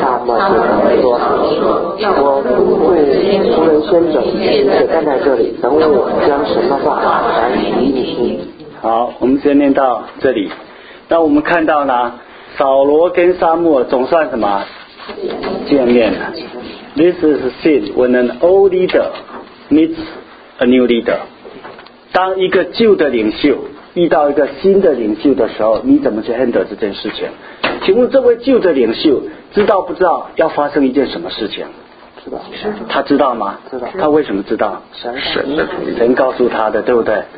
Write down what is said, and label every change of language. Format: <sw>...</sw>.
<zh>撒母耳对他们说：“我父母从人先走，你且站在这里，等我将什么话传与你听。” 好，我们先念到这里。那我们看到呢，扫罗跟撒母耳总算什么见面了。</zh> <en>This is seen when an old leader meets a new leader。</en> <zh>当一个旧的领袖遇到一个新的领袖的时候，你怎么去 handle 这件事情？请问这位旧的领袖知道不知道要发生一件什么事情？知道。他知道吗？知道。他为什么知道？神告诉他的，对不对？</zh>